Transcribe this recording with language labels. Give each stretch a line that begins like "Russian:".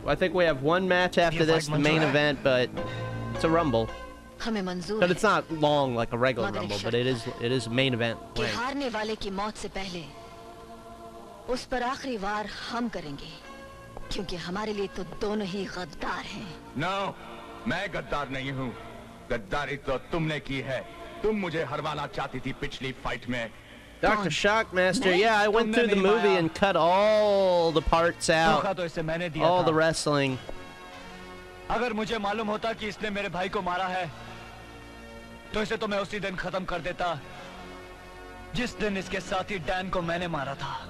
English: I think we have one match after this, the main event, but it's a rumble. But it's not long like a regular rumble, but it is main event.
Hindi: हारने वाले की मौत से पहले उस पर आखिरी वार हम करेंगे, क्योंकि हमारे लिए तो दोनों ही गद्दार हैं. No, मैं गद्दार नहीं हूँ. गद्दारी तो तुमने की है. तुम मुझे हरवाना चाहती थी पिछली फाइट में.
English: Dr. Shockmaster, yeah, I went through the movie and cut all the parts out, all the wrestling.
Hindi: अगर मुझे मालूम होता कि इसने मेरे भाई को मारा है, तो इसे तो मैं उसी दिन खत्म कर देता, जिस दिन इसके साथी डैन को मैंने मारा था.